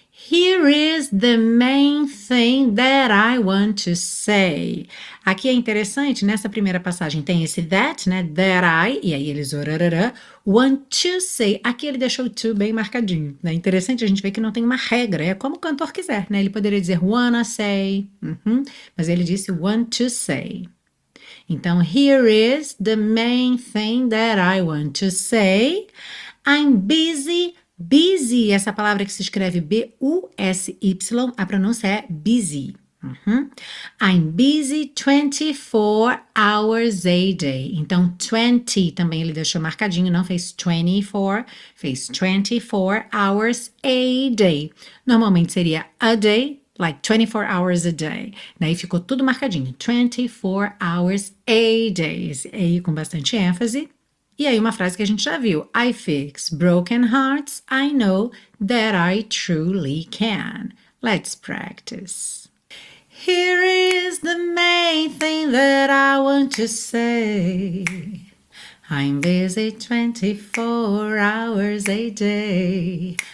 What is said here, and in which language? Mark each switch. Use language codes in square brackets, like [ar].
[en] Here is the main thing that I want to say. [pt] Aqui é interessante, nessa primeira passagem tem esse that, né? [en] That I, [pt] e aí eles [en] want to say. [pt] Aqui ele deixou o to bem marcadinho, né? Interessante a gente ver que não tem uma regra, é como o cantor quiser, né? Ele poderia dizer [en] wanna say, [pt] mas ele disse want to say. [en] Então, here is the main thing that I want to say. I'm busy. [pt] Busy, essa palavra que se escreve B-U-S-Y, a pronúncia é busy. [en] I'm busy 24 hours a day. [pt] Então, 20 também ele deixou marcadinho, não fez 24, fez 24 hours a day. Normalmente seria [en] a day, like 24 hours a day. [pt] Daí ficou tudo marcadinho, 24 hours a day. E aí com bastante ênfase. E aí, uma frase que a gente já viu. [en] I fix broken hearts, I know that I truly can. Let's practice. Here is the main thing that I want to say. I'm busy 24 hours a day.